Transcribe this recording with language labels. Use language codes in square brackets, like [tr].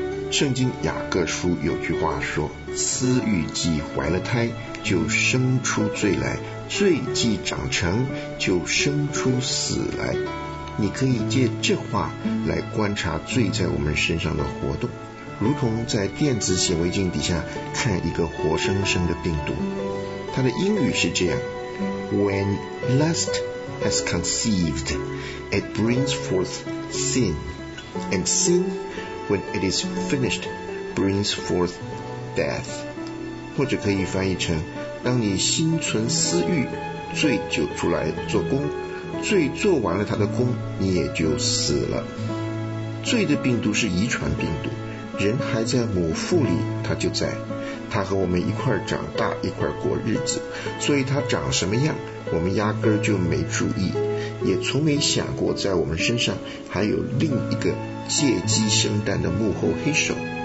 [zh] 圣经雅各书有句话说，私欲既怀了胎就生出罪来，罪既长成就生出死来。你可以借这话来观察罪在我们身上的活动，如同在电子显微镜底下看一个活生生的病毒。它的英语是这样， [en] When lust has conceived, it brings forth sin, and sin, when it is finished, brings forth death. [zh] 或者可以翻译成，当你心存私欲，罪就出来做工，罪做完了它的工，你也就死了。罪的病毒是遗传病毒，人还在母腹里他就在，他和我们一块长大一块过日子，所以他长什么样我们压根就没注意，也从没想过在我们身上还有另一个借机生蛋的幕后黑手。